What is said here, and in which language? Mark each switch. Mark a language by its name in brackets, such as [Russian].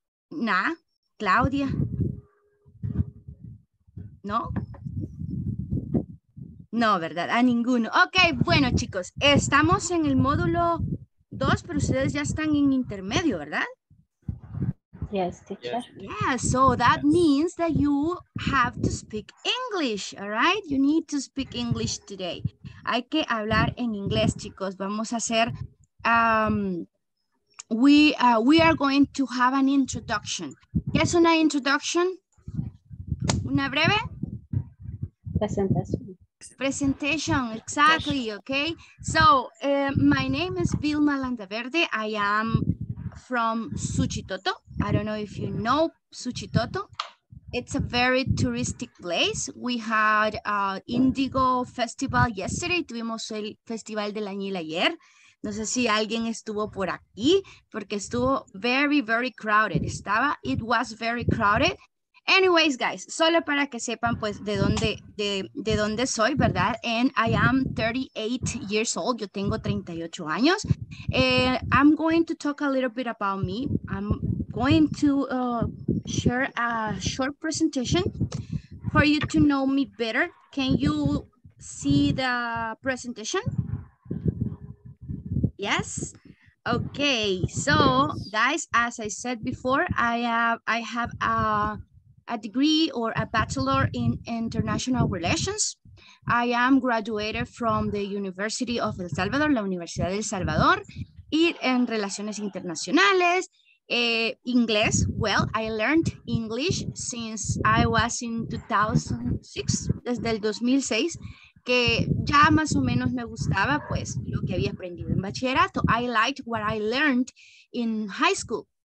[Spanish] Nah, Claudia. ¿No? No, ¿verdad? A ninguno. Ok, bueno, chicos, estamos en el módulo 2, pero ustedes ya están en intermedio, ¿verdad? [English] Yes, teacher. Yeah, so that means that you have to speak English, all right? You need to speak English today. [Spanish] Hay que hablar en inglés, chicos. Vamos a hacer, [English] we are going to have an introduction. [Spanish] ¿Qué es una introduction? ¿Una breve? [English] Presentation, exactly, okay? So, my name is Vilma Landaverde. I am from Suchitoto. I don't know if you know Suchitoto. It's a very touristic place. We had Indigo Festival yesterday. [Spanish] Tuvimos el Festival del Añil ayer. No sé si alguien estuvo por aquí, porque estuvo [English] very, very crowded. It was very crowded. Anyways, guys, [Spanish] solo para que sepan, pues, de dónde soy, ¿verdad? [English] And I am 38 years old. [Spanish] Yo tengo 38 años. [English] I'm going to talk a little bit about me. I'm going to share a short presentation for you to know me better. Can you see the presentation? Yes. Okay. So, guys, as I said before, I have a degree or a bachelor in international relations. I am graduated from the University of El Salvador, [Spanish] la Universidad del Salvador, y en relaciones internacionales. [English] English, well, I learned English since I was in 2006, [Spanish] desde el 2006, que ya más o menos me gustaba, pues, lo que había aprendido en bachillerato. [English] I liked what I learned in high school.